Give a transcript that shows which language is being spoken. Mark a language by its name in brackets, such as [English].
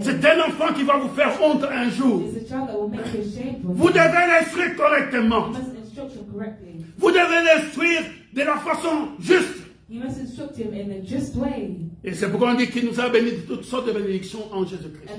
[French] C'est un enfant qui va vous faire honte un jour. [English] Is a child that will make you ashamed one day. [French] Vous devez l'instruire correctement. [English] You must instruct him correctly. [French] Vous devez l'instruire de la façon juste. [English] You must instruct him in a just way. [French] Et c'est pourquoi on dit qu'il nous a bénis de toutes sortes de bénédictions en Jésus-Christ.